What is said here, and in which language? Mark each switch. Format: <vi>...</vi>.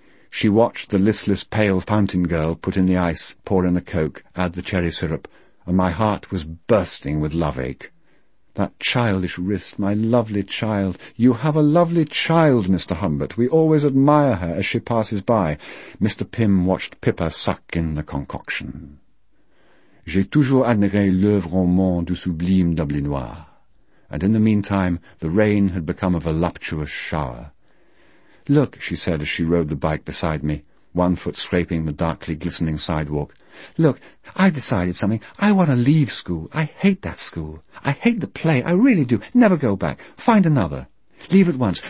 <en>She watched the listless, pale fountain girl put in the ice, pour in the Coke, add the cherry syrup, and my heart was bursting with love ache. That childish wrist, my lovely child. "You have a lovely child, Mr. Humbert. We always admire her as she passes by." Mr. Pym watched Pippa suck in the concoction.</en> <fr>"J'ai toujours admiré l'œuvre en main du sublime Dublinois."</fr> <en>And in the meantime, the rain had become a voluptuous shower. "Look," she said as she rode the bike beside me, one foot scraping the darkly glistening sidewalk. "Look, I've decided something. I want to leave school. I hate that school. I hate the play. I really do. Never go back. Find another. Leave at once.</en>